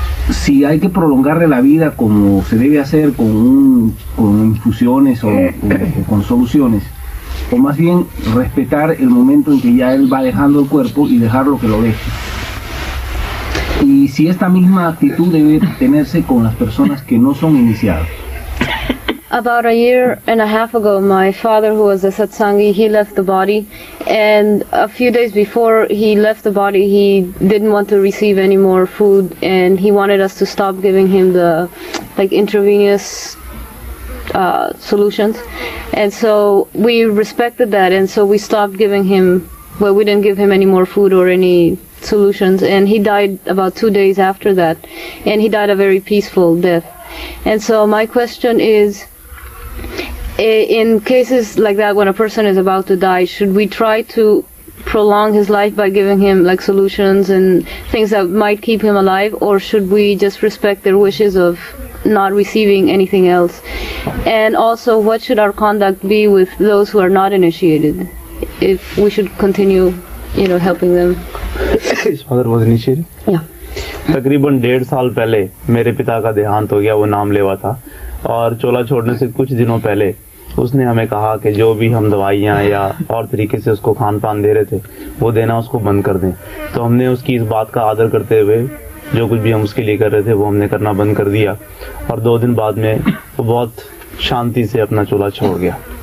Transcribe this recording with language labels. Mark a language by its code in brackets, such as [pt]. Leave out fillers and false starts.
[es] Si hay que prolongarle la vida como se debe hacer con infusiones o con soluciones, o más bien respetar el momento en que ya él va dejando el cuerpo y dejarlo que lo deje. Y si esta misma actitud debe tenerse con las personas que no son iniciadas. [en] About a year and a half ago, my father, who was a satsangi, he left the body. And a few days before he left the body, he didn't want to receive any more food. And he wanted us to stop giving him the intravenous solutions. And so we respected that, and so we stopped giving him, well, we didn't give him any more food or any solutions, and he died about 2 days after that, and he died a very peaceful death. And so my question is, in cases like that, when a person is about to die, should we try to prolong his life by giving him like solutions and things that might keep him alive, or should we just respect their wishes of not receiving anything else? And also, what should our conduct be with those who are not initiated, if we should continue, you know, helping them? His father was initiated? Yeah. [hi] तकरीबन डेढ़ साल पहले मेरे पिता का देहांत हो गया, वो नाम लेवा था, और चोला छोड़ने से कुछ दिनों पहले उसने हमें कहा कि जो भी हम दवाइयां या और तरीके से उसको खान पान दे रहे थे वो देना उसको बंद कर दें। तो हमने उसकी इस बात का आदर करते हुए जो कुछ भी हम उसके लिए कर रहे थे वो हमने करना बंद कर दिया, और दो दिन बाद में वो बहुत शांति से अपना चोला छोड़ गया।